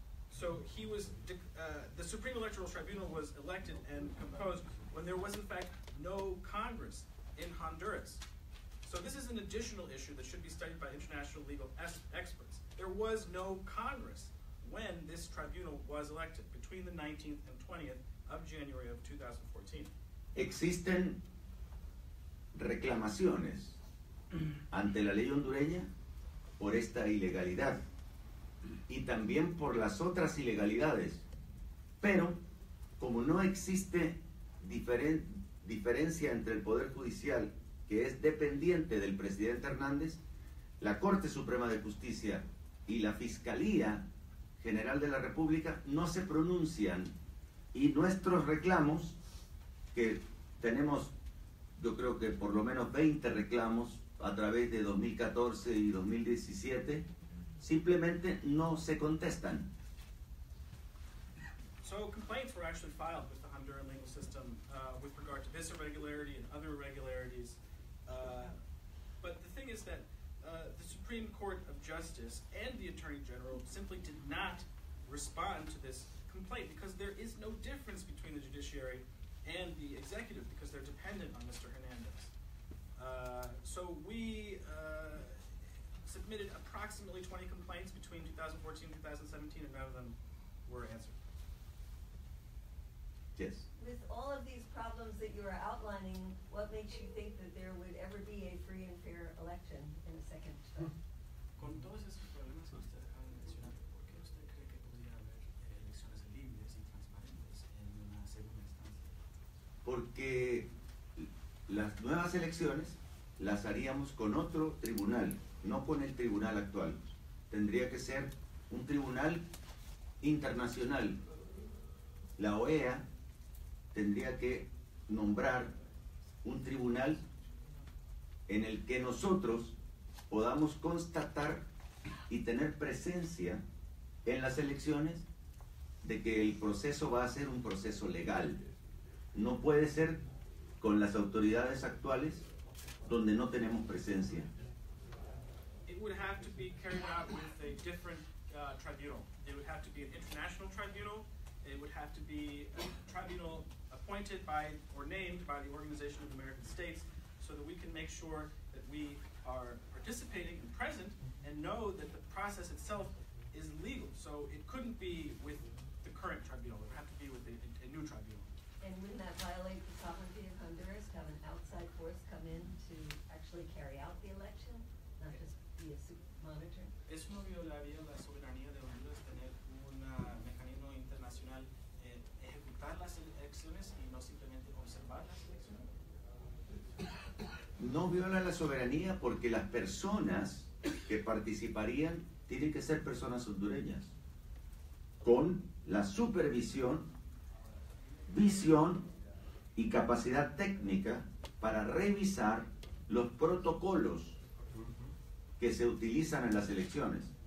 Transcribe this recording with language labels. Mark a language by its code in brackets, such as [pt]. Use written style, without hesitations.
[en] So the Supreme Electoral Tribunal was elected and composed when there was in fact no Congress in Honduras. So this is an additional issue that should be studied by international legal experts. There was no Congress when this tribunal was elected between the 19th and 20th of January of 2014. [es] Existen reclamaciones ante la ley hondureña por esta ilegalidad y también por las otras ilegalidades. Pero como no existe diferencia entre el Poder Judicial, que es dependiente del presidente Hernández, la Corte Suprema de Justicia y la Fiscalía General de la República no se pronuncian, y nuestros reclamos, que tenemos yo creo que por lo menos 20 reclamos a través de 2014 y 2017, simplemente no se contestan. [en] So complaints were actually filed with the Honduran legal system with regard to this irregularity and other irregularities. But the thing is that the Supreme Court of Justice and the Attorney General simply did not respond to this complaint because there is no difference between the judiciary and the executive because they're dependent on Mr. Hernández. So we submitted approximately 20 complaints between 2014 and 2017 and none of them were answered. Yes. With all of these problems that you are outlining, what makes you think that there would ever be a free and fair election in a second term? [es] Con todos esos problemas que usted ha mencionado, ¿por qué usted cree que podría haber elecciones libres y transparentes en una segunda instancia? Porque las nuevas elecciones las haríamos con otro tribunal, no con el tribunal actual. Tendría que ser un tribunal internacional. La OEA tendría que nombrar un tribunal en el que nosotros podamos constatar y tener presencia en las elecciones de que el proceso va a ser un proceso legal. no puede ser con las autoridades actuales donde no tenemos presencia. [en] It would have to be carried out with a different tribunal. It would have to be an international tribunal. It would have to be a tribunal appointed by or named by the Organization of American States so that we can make sure that we are participating and present and know that the process itself is legal. So it couldn't be with the current tribunal. It would have to be with a new tribunal. And wouldn't that violate the sovereignty of Honduras to have an outside force come in to actually carry out the election, not just be a monitor? [es] Es una violación de la soberanía de Honduras tener un mecanismo internacional ejecutar las elecciones y no simplemente observar las elecciones. No viola la soberanía porque las personas que participarían tienen que ser personas hondureñas con la supervisión, visión y capacidad técnica para revisar los protocolos que se utilizan en las elecciones.